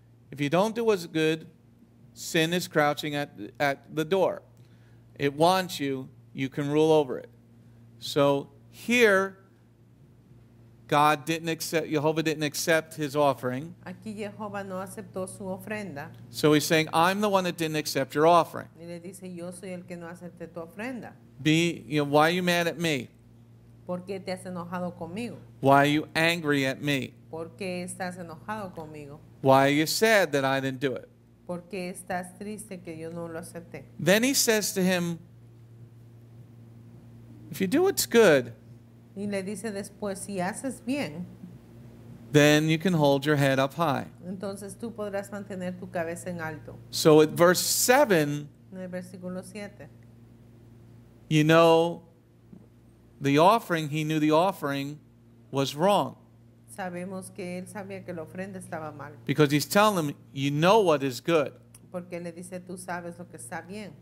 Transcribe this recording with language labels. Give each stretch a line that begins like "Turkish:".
English: If you don't do what's good, sin is crouching at the door. It wants you. You can rule over it. So here, God didn't accept, Yehovah didn't accept his offering.
Spanish: Aquí Yehovah no aceptó su ofrenda.
English: So he's saying, I'm the one that didn't accept your offering.
Spanish: Y le dice, yo soy el que no acepté tu ofrenda.
English: Why are you mad at me?
Spanish: ¿Por qué te has enojado conmigo?
English: Why are you angry at me?
Spanish: ¿Por qué estás enojado conmigo?
English: Why are you sad that I didn't do it?
Spanish: ¿Por qué estás triste que yo no lo acepté?
English: Then he says to him, if you do what's good,
Spanish: y le dice después, si haces bien,
English: then you can hold your head up high.
Spanish: Entonces, tú podrás mantener tu cabeza en alto.
English: So at verse 7,
Spanish: en el versículo 7,
English: you know the offering, he knew the offering was wrong.
Spanish: Sabemos que él sabía que la ofrenda estaba mal.
English: Because he's telling him, you know what is good.
Spanish: Porque le dice, tú sabes lo que está bien.